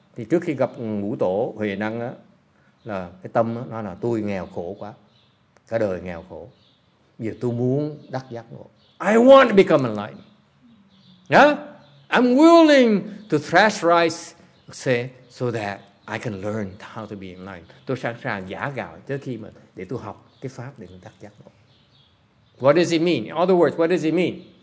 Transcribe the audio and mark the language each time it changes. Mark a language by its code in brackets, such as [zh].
[vi] Thì trước khi gặp ngũ tổ Huệ Năng á, là cái tâm á, nó là tôi nghèo khổ quá, cả đời nghèo khổ. Giờ tôi muốn đắc giác ngộ. [en] I want to become a lion. Yeah? I'm willing to thrash rice, say, so that I can learn how to be a lion. [vi] Tôi sẵn sàng giả gạo trước khi mà để tôi học cái pháp để tôi đắc giác ngộ. [en] What does it mean? In other words, what does it mean?